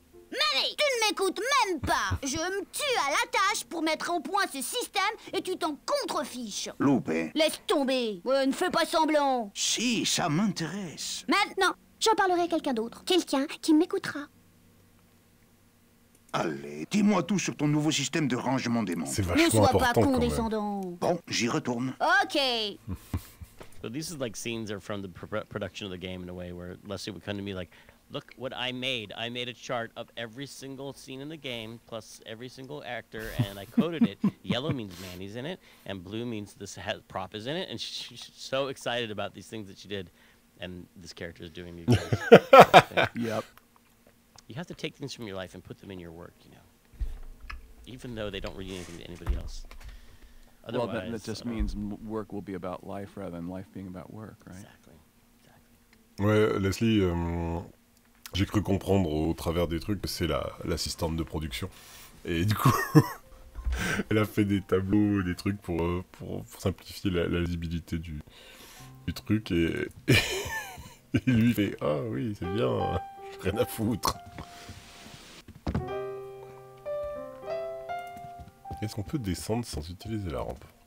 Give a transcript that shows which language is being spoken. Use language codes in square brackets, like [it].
[fr] Manny, tu ne m'écoutes même pas. Je me tue à la tâche pour mettre au point ce système et tu t'en contrefiches. Loupé. Laisse tomber. Ouais, ne fais pas semblant. Si, ça m'intéresse. Maintenant, j'en parlerai à quelqu'un d'autre. Quelqu'un qui m'écoutera. Allez, dis-moi tout sur ton nouveau système de rangement des manteaux. C'est vachement important. Ne sois pas condescendant. Bon, j'y retourne. Ok. [en] So these are like scenes are from the production of the game in a way where Leslie would come to me like... Look what I made. I made a chart of every single scene in the game, plus every single actor, and I coded it. Yellow means Manny's in it, and blue means this prop is in it. And she's so excited about these things that she did. And this character is doing me good. Yep. You have to take things from your life and put them in your work, you know. Even though they don't read anything to anybody else. Otherwise, well, that just means work will be about life rather than life being about work, right? Exactly. [fr] Ouais, Leslie... J'ai cru comprendre au travers des trucs que c'est l'assistante de production. Et du coup, elle a fait des tableaux et des trucs pour simplifier la lisibilité du truc. Et lui fait « Ah oui, c'est bien, j'ai rien à foutre. » Est-ce qu'on peut descendre sans utiliser la rampe?